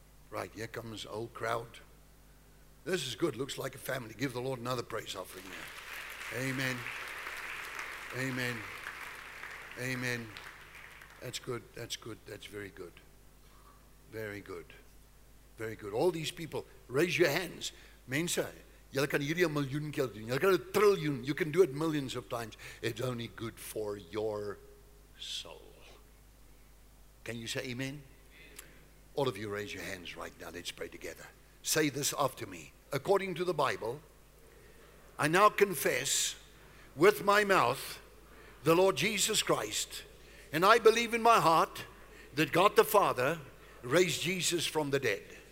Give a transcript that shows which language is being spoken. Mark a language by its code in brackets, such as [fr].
[en] Right, here comes old crowd. This is good. Looks like a family. Give the Lord another praise offering here. Amen. Amen. Amen. That's good. That's very good. Very good. Very good. All these people, raise your hands. [af] Mensa, jylle kan hierdie 'n miljoen keer doen. Jylle kan 'n trillion. [en] You can do it millions of times. It's only good for your soul. Can you say amen? All of you raise your hands right now. Let's pray together. Say this after me. According to the Bible, I now confess with my mouth the Lord Jesus Christ, and I believe in my heart that God the Father raised Jesus from the dead.